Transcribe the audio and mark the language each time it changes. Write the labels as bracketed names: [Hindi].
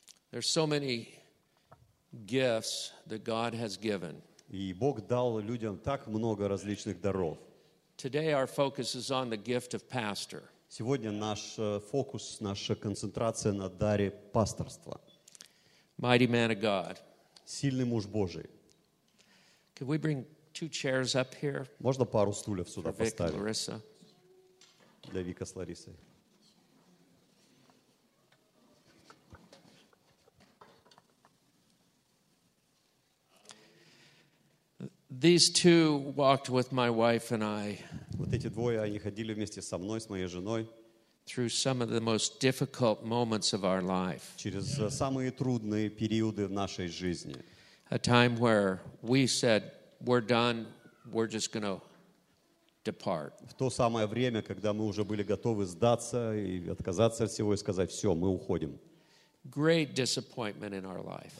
[English] There's so many gifts that God has given. [Russian] И Бог дал людям так много различных даров. [English] Today our focus is on the gift of pastor. [Russian] Сегодня наш фокус, наша концентрация на даре пасторства. [English] Mighty man of God. [Russian] Сильный муж Божий. [English] Could we bring two chairs up here? [Russian] Можно пару стульев сюда поставить? [English] For Vic and [Russian] Larissa. Для Вика с Ларисой. [English] These two walked with my wife and I. [Russian] Вот эти двое, они ходили вместе со мной, с моей женой. [English] Through some of the most difficult moments of our life. [Russian] Через самые трудные периоды в нашей жизни. [English] A time where we said, "We're done. We're just going to depart." [Russian] В то самое время, когда мы уже были готовы сдаться и отказаться от всего и сказать: "Все, мы уходим." [English] Great disappointment in our life.